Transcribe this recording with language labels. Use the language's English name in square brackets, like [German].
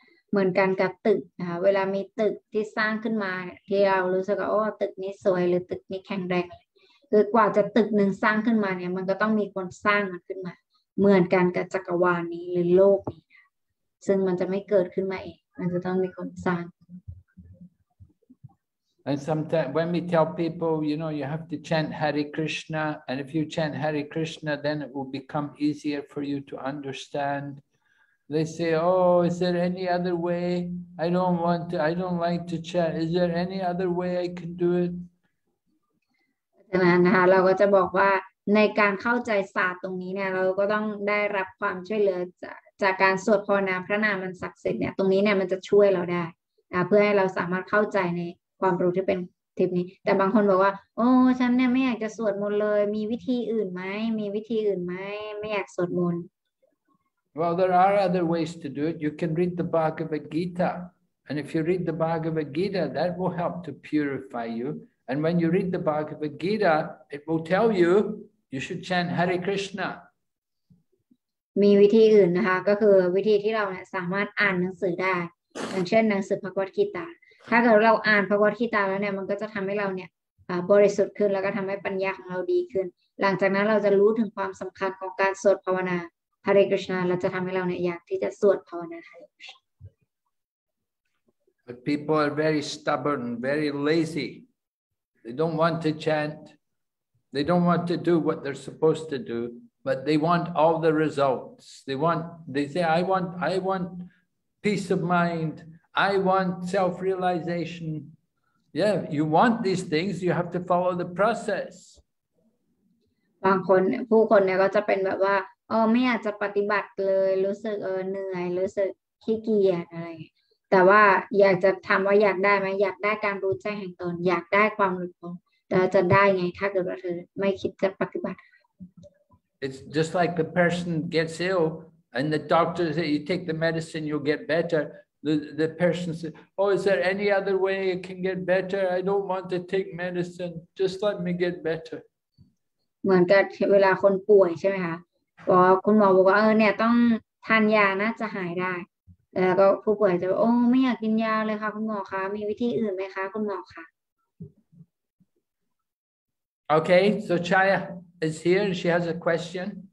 [Thai] เหมือนกันกับตึกนะเวลามีตึกที่สร้างขึ้นมาที่เรารู้สึกว่าโอ้ตึกนี้สวยหรือตึกนี้แข็งแรงคือกว่าจะตึกหนึ่งสร้างขึ้นมาเนี่ยมันก็ต้องมีคนสร้างมันขึ้นมาเหมือนกันกับจักรวาลนี้หรือโลกนี้ซึ่งมันจะไม่เกิดขึ้นมาเองมันจะต้องมีคนสร้าง [English] And sometimes when we tell people you know you have to chant Hare Krishna and if you chant Hare Krishna then it will become easier for you to understand they say oh is there any other way I don't like to chant is there any other way I can do it [Thai] นะคะเราก็จะบอกว่าในการเข้าใจศาสตร์ตรงนี้เนี่ยเราก็ต้องได้รับความช่วยเหลือจากการสวดภาวนาพระนามมันศักดิ์สิทธิ์เนี่ยตรงนี้เนี่ยมันจะช่วยเราได้เพื่อให้เราสามารถเข้าใจในความรู้ที่เป็นทริปนี้แต่บางคนบอกว่าโอ้ฉันเนี่ยไม่อยากจะสวดมนต์เลยมีวิธีอื่นไหมไม่อยากสวดมนต์ [English] Well there are other ways to do it you can read the Bhagavad Gita and if you read the Bhagavad Gita that will help to purify youAnd when you read the Bhagavad Gita, it will tell you you should chant Hare Krishna. [Thai] มีวิธีอื่นนะคะก็คือวิธีที่เราเนี่ยสามารถอ่านหนังสือได้อย่างเช่นหนังสือพระกัฏฐกีตาถ้าเกิดเราอ่านพระกัฏฐกีตาแล้วเนี่ยมันก็จะทำให้เราเนี่ยบริสุทธิ์ขึ้นแล้วก็ทำให้ปัญญาของเราดีขึ้นหลังจากนั้นเราจะรู้ถึงความสำคัญของการสวดภาวนา Hare Krishna แล้วจะทำให้เราเนี่ยอยากที่จะสวดภาวนา Hare Krishna. [English] But people are very stubborn, very lazy. They don't want to chant. They don't want to do what they're supposed to do, but they want all the results. They say, I want peace of mind. I want self-realization. Yeah, you want these things. You have to follow the process. [Thai] บางคนผู้คนเนี่ยก็จะเป็นแบบว่าเออไม่อยากจะปฏิบัติเลยรู้สึกเออเหนื่อยรู้สึกขี้เกียจอะไรแต่ว่าอยากจะทำว่าอยากได้ไหมอยากได้การรู้แจ้งแห่งตนอยากได้ความรู้แต่จะได้ไงถ้าเกิดว่าเธอไม่คิดจะปฏิบัติ [English] It's just like the person gets ill and the doctor says you take the medicine you'll get better The person said, oh, is there any other way it can get better? I don't want to take medicine. Just let me get better. [Thai] เหมือนกับเวลาคนป่วยใช่ไหมคะบอกคุณหมอบอกว่าเออเนี่ยต้องทานยาน่าจะหายได้แล้วก็ผู้ป่วยจะโอ้ไม่อยากกินยาเลยค่ะคุณหมอคะมีวิธีอื่นไหมคะคุณหมอคะ [English] Okay, so Chaya is here and she has a question.